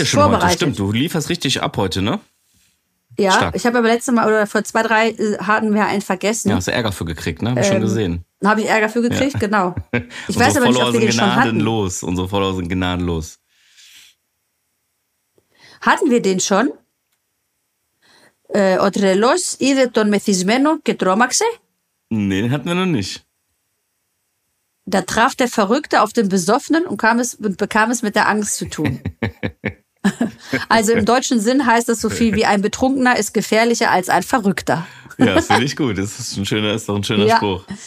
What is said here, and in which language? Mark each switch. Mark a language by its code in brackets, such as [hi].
[de] Der zweite schon heute, stimmt, du lieferst richtig ab heute, ne? Ja, ich habe aber letztes Mal oder vor 2, 3 hatten wir einen vergessen. Ja, hast du Ärger für gekriegt, ne? Hab ich schon gesehen. Habe ich Ärger für gekriegt, genau. Ich weiß aber nicht, ob wir den schon hatten. Unsere Follower sind gnadenlos. Hatten wir den schon? [el] Ο τρελός είδε τον μεθυσμένο και τρόμαξε. [de] Nee, den hatten wir noch nicht. Da traf der Verrückte auf den Besoffenen und bekam es mit der Angst zu tun. Also im deutschen Sinn heißt das so viel wie ein Betrunkener ist gefährlicher als ein Verrückter. Ja, finde ich gut. Das ist ein schöner, ja, Spruch.